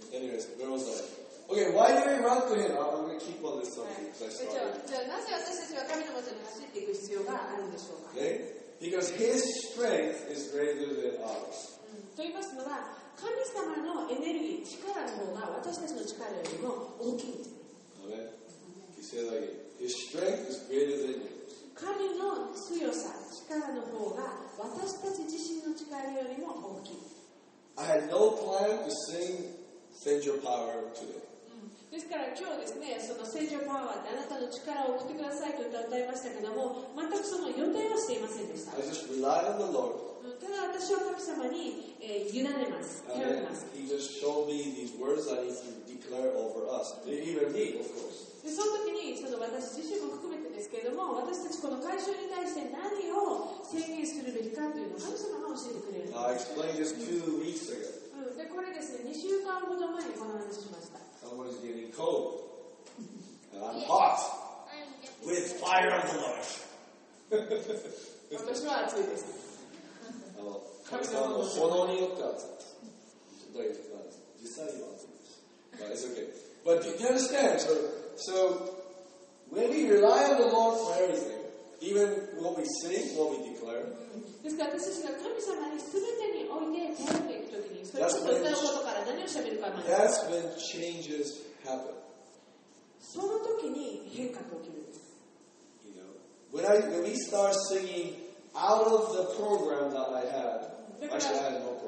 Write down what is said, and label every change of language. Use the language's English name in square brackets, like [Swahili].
[English] anyways where was that okay why do we run to him I'm gonna keep on this subject because I started okay because his strength is greater than ours [Japanese] と言いますのは神様のエネルギー力の方が私たちの力よりも大きい [English] His strength is greater than you. [Japanese] 神の強さ、力の方が私たち自身の力よりも大きい。 [English] I had no plan to sing Send Your Power today. [Japanese] ですから今日ですね、その Send Your Power ってあなたの力を送ってくださいと歌いましたけども、全くその予定はしていませんでした。 [English] I just rely on the Lord. [Japanese] ただ私は神様に委ねます。頼みます。 [English] He just showed me these words that He can declare over us. Even me, of course. [Japanese] でその時にその私自身も含めてですけれども私たちこの会社に対して何を宣言するべきかというのを神様が教えてくれる [English] I explained this two weeks ago. [Japanese] でこれですね2週間ほど前にこの話しました [English] Someone is getting cold and I'm hot with fire on the Lord [Japanese] 私は暑いです神様の炎によって暑いです実際には暑いです [English] But it's okay But do you understand? So, when we rely on the Lord for everything, even what we sing, what we declare, that's when changes happen. [Japanese] その時に変化が起きる。 You know, when we start singing out of the program that I had,